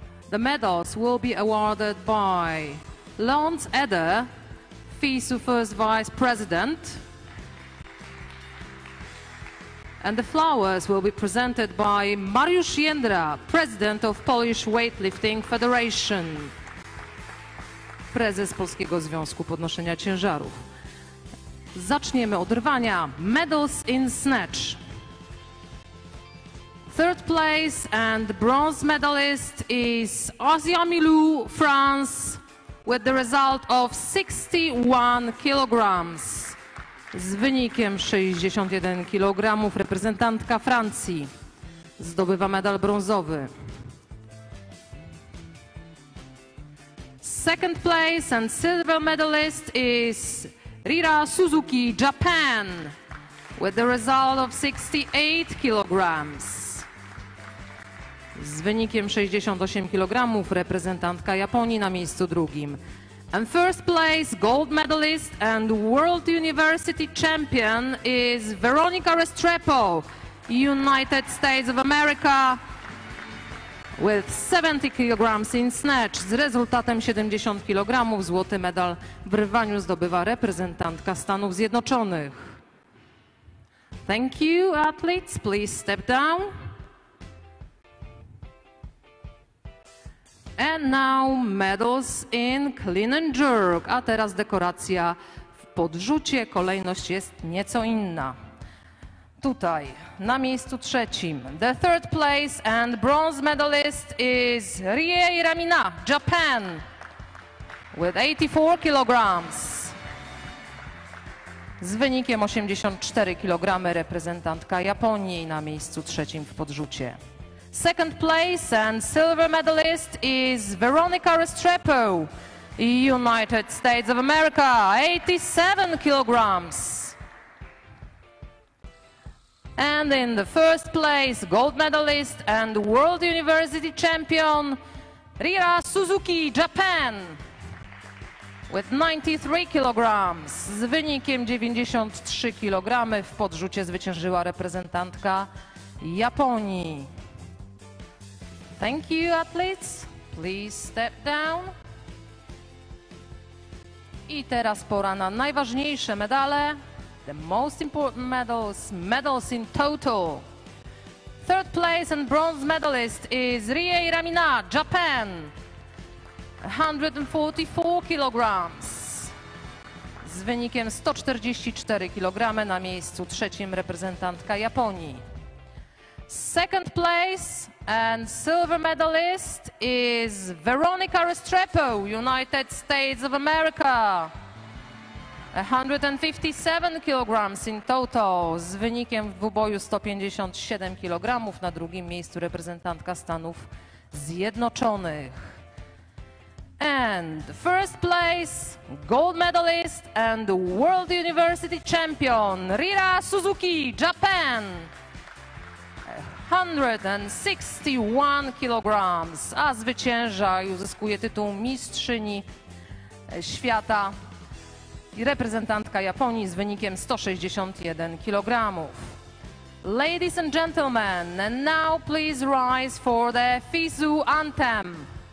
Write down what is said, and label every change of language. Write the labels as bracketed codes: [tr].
[en] The medals will be awarded by Lance Eder, FISU First Vice President. And the flowers will be presented by Mariusz Jędra, President of Polish Weightlifting Federation. [pl] Prezes Polskiego Związku Podnoszenia Ciężarów. Zaczniemy od rwania. [en] Medals in snatch. Third place and bronze medalist is Asia Milou, France, with the result of 61 kilograms. [pl] Z wynikiem 61 kilogramów reprezentantka Francji zdobywa medal brązowy. [en] Second place and silver medalist is Rira Suzuki, Japan, with the result of 68 kilograms. [pl] Z wynikiem 68 kilogramów reprezentantka Japonii na miejscu drugim. [en] And first place gold medalist and World University champion is Veronica Restrepo, United States of America, with 70 kilograms in snatch. [pl] Z rezultatem 70 kilogramów złoty medal w rwaniu zdobywa reprezentantka Stanów Zjednoczonych. [en] Thank you, athletes. Please step down. And now medals in clean and jerk. [pl] A teraz dekoracja w podrzucie. Kolejność jest nieco inna. Tutaj, na miejscu trzecim, [en] the third place and bronze medalist is Riei Ramina, Japan, with 84 kilograms. [pl] Z wynikiem 84 kilogramy reprezentantka Japonii na miejscu trzecim w podrzucie. [en] Second place and silver medalist is Veronica Restrepo, United States of America, 87 kilograms. And in the first place, gold medalist and World University champion, Rira Suzuki, Japan, with 93 kilograms. [pl] Z wynikiem 93 kilogramy w podrzucie zwyciężyła reprezentantka Japonii. [en] Thank you, athletes. Please step down. [pl] I teraz pora na najważniejsze medale. [en] The most important medals, medals in total. Third place and bronze medalist is Riei Ramina, Japan. 144 kilograms. [pl] Z wynikiem 144 kilogramy na miejscu trzecim reprezentantka Japonii. [en] Second place and silver medalist is Veronica Restrepo, United States of America. 157 kilograms in total, [pl] z wynikiem w dwuboju 157 kilogramów, na drugim miejscu reprezentantka Stanów Zjednoczonych. [en] And first place, gold medalist and World University champion, Rira Suzuki, Japan. 161 kilograms, [pl] a zwycięża i uzyskuje tytuł mistrzyni świata. Reprezentantka Japonii z wynikiem 161 kilogramów. [en] Ladies and gentlemen, and now please rise for the FISU anthem.